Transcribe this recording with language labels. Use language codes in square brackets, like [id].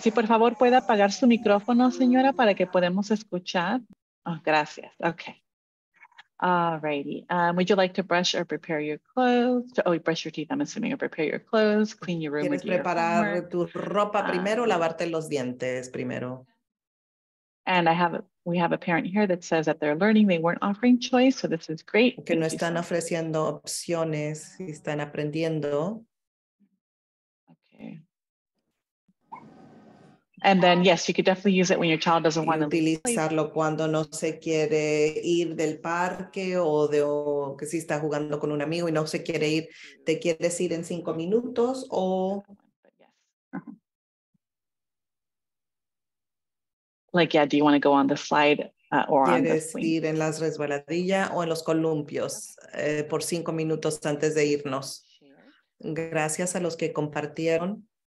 [es] Sí, por favor, puede apagar su micrófono, señora, para que podamos escuchar. [en] Oh, gracias. Okay. Alrighty. Would you like to brush or prepare your clothes? Oh, brush your teeth, I'm assuming, or prepare your clothes, clean your room with your homework. [es] ¿Preparar tu ropa primero, lavarte los dientes primero? [en] And we have a parent here that says that they're learning, they weren't offering choice, so this is great. [es] Que no están ofreciendo opciones, están aprendiendo. [en] Okay. And then, yes, you could definitely use it when your child doesn't want to [es] utilizarlo cuando no se quiere ir del parque o que si está jugando con un amigo y no se quiere ir, te quieres ir en 5 minutos o... [en] Yes. Like, yeah, do you want to go on the slide or on the [es] ¿Quieres ir en las resbaladillas o en los columpios por 5 minutos antes de irnos? Gracias a los que compartieron.